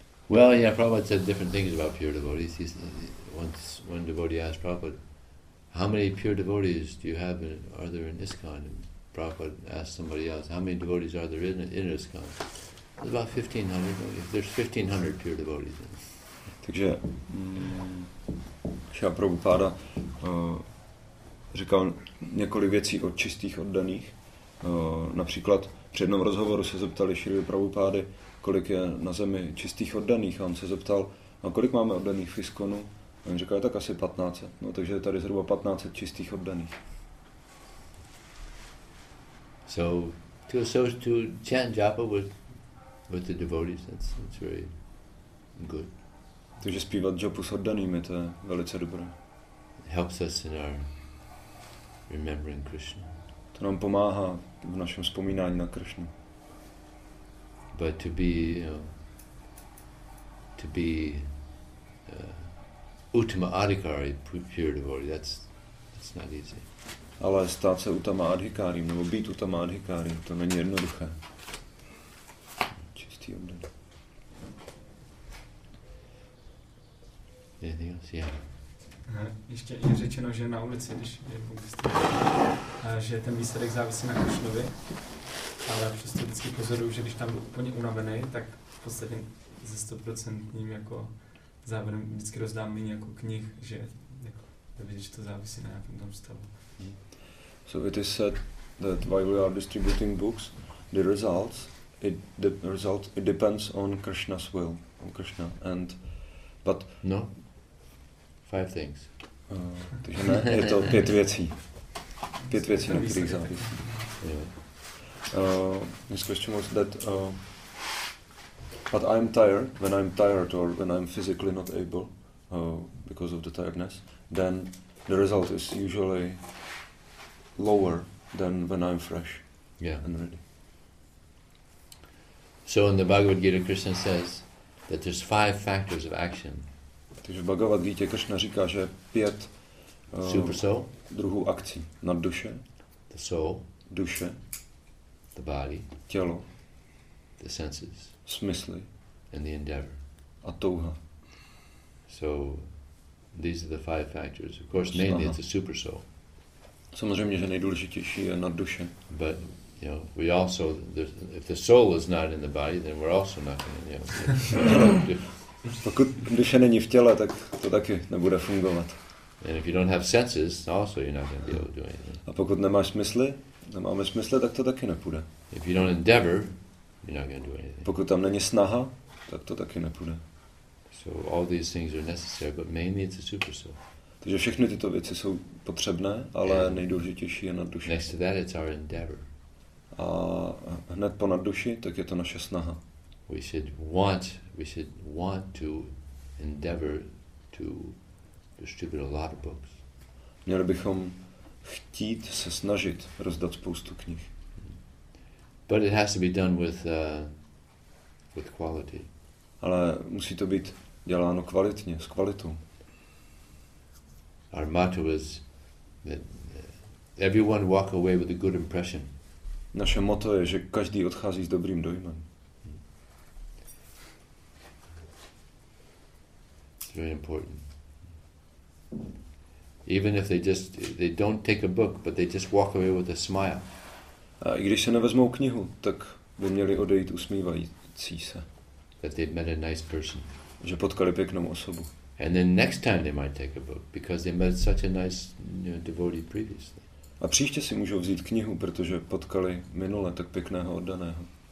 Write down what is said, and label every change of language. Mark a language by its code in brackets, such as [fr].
[en] Well, yeah, Prabhupada said different things about pure devotees. He said, once one devotee asked Prabhupada, how many pure devotees do you have, are there in ISKCON? Prabhupada asked somebody else, how many devotees are there in ISKCON? There's about 1,500. If there's 1,500 pure devotees. Then. [cs] Takže Srila Prabhupada říkal několik věcí o čistých oddaných. Například při jednom rozhovoru se zeptali Srila Prabhupády, kolik je na zemi čistých oddaných. A on se zeptal, a kolik máme oddaných v ISKCONu? A on říkal, tak asi 1,500. No, takže je tady zhruba 1,500 čistých oddaných. [en] So to chant japa with the devotees, that's very good. [cs] Takže zpívat japu s oddanými, to je velice dobré. [en] Helps us in our remembering Krishna. [cs] To nám pomáhá v našem vzpomínání na Krishnu. [en] But to be, you know, to be uttama adhikari, pure devotee, that's not easy. [cs] Ale stát se uttama adhikárím, nebo být uttama adhikárím, to není jednoduché. Čistý oddaný. [en] Anything else? Yeah. [cs] Ještě je řečeno, že na ulici, když je buddhista, že ten výsledek závisí na Krišnovi, ale přesto vždycky pozoruju, že když tam byl úplně unavený, tak v podstatě ze 100% jako závěrem vždycky rozdám méně jako knih, že jako nevědět, že to závisí na nějakém tom stavu. [en] So it is said that while we are distributing books, the result depends on Krishna's will, on Krishna, and but no. Five things. [cs] Takže ne, je to pět věcí. Pět věcí, na kterých závisí. [en] This question was that, but I'm tired, when I'm tired or when I'm physically not able, because of the tiredness, then the result is usually lower than when I'm fresh and ready. So in the Bhagavad Gita, Krishna says that there's five factors of action. [cs] Takže v Bhagavad Gita Krishna říká, že pět druhů akcí na duše. [en] The soul, [cs] duše, [en] the body, [cs] tělo, [en] the senses, [cs] smysly, [en] and the endeavor, [cs] a touha. [en] So these are the five factors. Of course, mainly it's a super soul. [cs] Samozřejmě, že nejdůležitější je na duše. [en] But you know, we also, if the soul is not in the body, then we're also not going to, you know. [cs] Pokud duše není v těle, tak to taky nebude fungovat. [en] And if you don't have senses, also you're not going to be able to do anything. [cs] A pokud nemáš smysly, nemáme smysly, tak to taky nepůjde. [en] If you don't endeavor, you're not going to do anything. [cs] Pokud tam není snaha, tak to taky nepůjde. [en] So all these things are necessary, but mainly it's a super soul. [cs] Takže všechny tyto věci jsou potřebné, ale nejdůležitější je nadduše. [en] Next to that, it's our endeavor. [cs] A hned po nadduši, tak je to naše snaha. [en] We should want to endeavor to distribute a lot of books. [cs] Měli bychom chtít se snažit rozdat spoustu knih. [en] But it has to be done with quality. [cs] Ale musí to být děláno kvalitně, s kvalitou. [en] Our motto is that everyone walk away with a good impression. [cs] Naše motto je, že každý odchází s dobrým dojmem. [en] Very important. Even if they don't take a book, but they just walk away with a smile. [cs] A i když se nevezmou knihu, tak by měli odejít usmívající se. [en] That they've met a nice person. [cs] Že potkali pěknou osobu. [en] And then next time they might take a book because they met such a nice, you know, devotee previously. [cs] A příště si můžou vzít knihu, protože potkali minule tak pěkného oddaného.